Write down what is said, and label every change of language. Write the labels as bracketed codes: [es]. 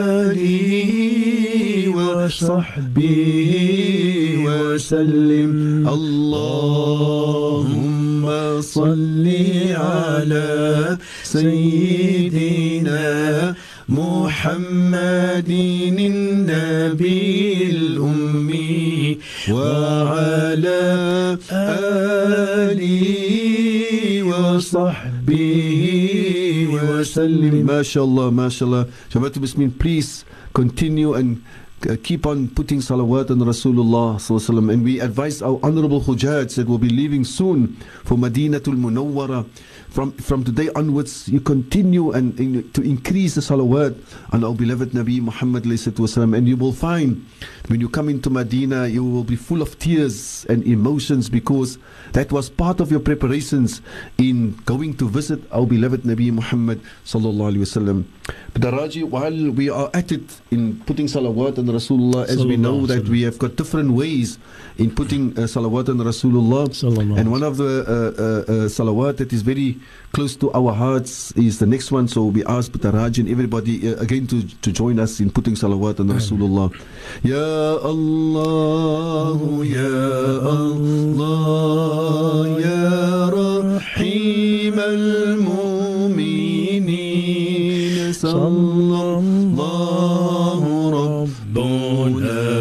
[ar] آله وصحبه وسلم اللهم صل على سيدنا محمد النبي الأمي وعلى آله وصحبه وسلم ما شاء الله ما شاء الله شبابات المسلمين [en] please continue and keep on putting salawat on Rasulullah sallallahu alaihi wasallam. And we advise our honorable hujjaj that will be leaving soon for Madinatul Munawwara. From today onwards, you continue and to increase the salawat on our beloved Nabi Muhammad sallallahu alaihi wasallam. And you will find when you come into Medina, you will be full of tears and emotions, because that was part of your preparations in going to visit our beloved Nabi Muhammad sallallahu alaihi wasallam. But Raji, while we are at it in putting salawat on Rasulullah, as we know that we have got different ways in putting salawat on Rasulullah, and one of the salawat that is very close to our hearts is the next one. So we ask Butaraj and everybody again to join us in putting salawat on Rasulullah. [ar] Ya Allah, Ya Allah, Ya Rahim al-Mu'minin, Sallallahu Rabbuna